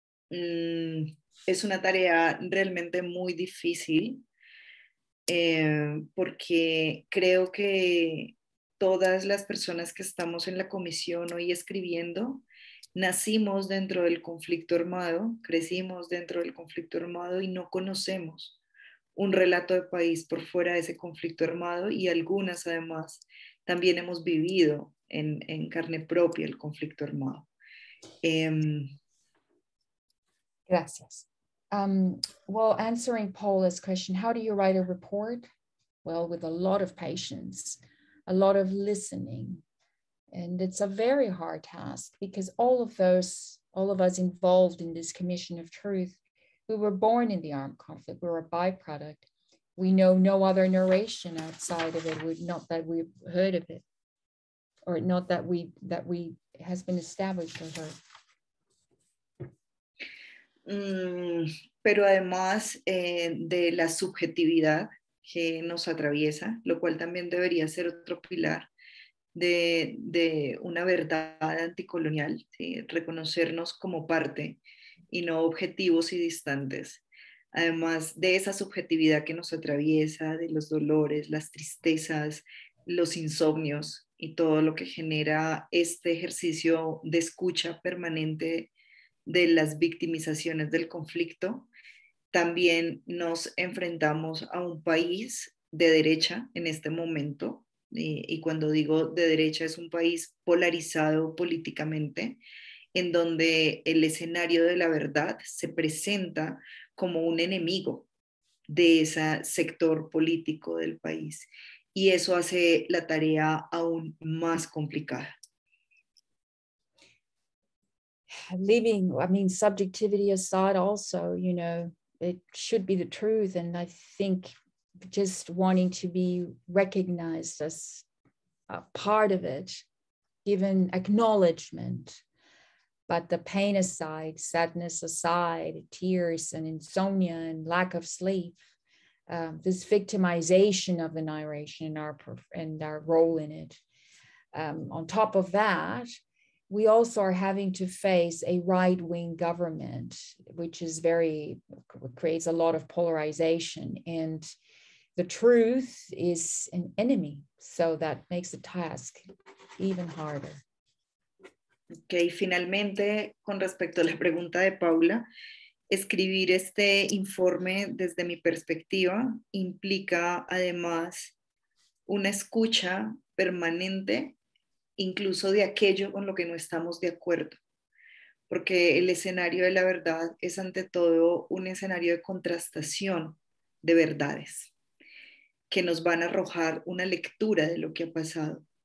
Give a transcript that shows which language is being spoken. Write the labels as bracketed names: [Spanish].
[Spanish] Es una tarea realmente muy difícil, porque creo que todas las personas que estamos en la comisión hoy escribiendo nacimos dentro del conflicto armado, crecimos dentro del conflicto armado y no conocemos un relato de país por fuera de ese conflicto armado, y algunas además también hemos vivido en carne propia el conflicto armado. Gracias. [English] Answering Paula's question, how do you write a report? Well, with a lot of patience, a lot of listening. And it's a very hard task, because all of us involved in this commission of truth, we were born in the armed conflict, we're a byproduct. We know no other narration outside of it, not that we've heard of it, or not that we has been established or heard. [Spanish] Pero además de la subjetividad que nos atraviesa, lo cual también debería ser otro pilar de una verdad anticolonial, ¿sí? Reconocernos como parte y no objetivos y distantes. Además de esa subjetividad que nos atraviesa, de los dolores, las tristezas, los insomnios y todo lo que genera este ejercicio de escucha permanente de las victimizaciones del conflicto, también nos enfrentamos a un país de derecha en este momento. Y cuando digo de derecha, es un país polarizado políticamente, en donde el escenario de la verdad se presenta como un enemigo de ese sector político del país. Y eso hace la tarea aún más complicada. [English] Leaving, I mean, subjectivity aside also, you know, it should be the truth, and I think just wanting to be recognized as a part of it, given acknowledgement. But the pain aside, sadness aside, tears and insomnia and lack of sleep, this victimization of the narration and our role in it. On top of that, we also are having to face a right-wing government, which is creates a lot of polarization. And the truth is an enemy, so that makes the task even harder. [Spanish] Okay, finalmente, con respecto a la pregunta de Paula, escribir este informe desde mi perspectiva implica además una escucha permanente, incluso de aquello con lo que no estamos de acuerdo, porque el escenario de la verdad es ante todo un escenario de contrastación de verdades que nos van a arrojar una lectura de lo que ha pasado.